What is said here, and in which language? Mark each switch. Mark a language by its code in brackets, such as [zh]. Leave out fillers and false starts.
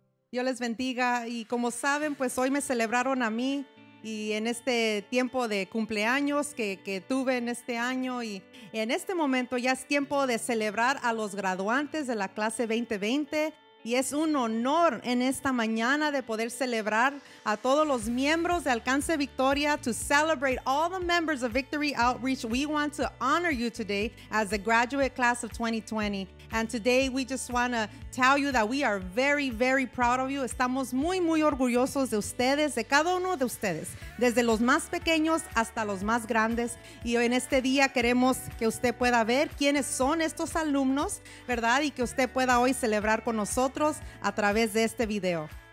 [es] Dios les bendiga y como saben, pues hoy me celebraron a mí y en este tiempo de cumpleaños que tuve en este año y en este momento ya es tiempo de celebrar a los graduantes de la clase 2020 y es un honor en esta mañana de poder celebrar a todos los miembros de Alcance Victoria [en] to celebrate all the members of Victory Outreach. We want to honor you today as the graduate class of 2020. And today we just want to tell you that we are very, very proud of you. [es] Estamos muy, muy orgullosos de ustedes, de cada uno de ustedes, desde los más pequeños hasta los más grandes. Y hoy en este día queremos que usted pueda ver quiénes son estos alumnos, ¿verdad? Y que usted pueda hoy celebrar con nosotros a través de este video.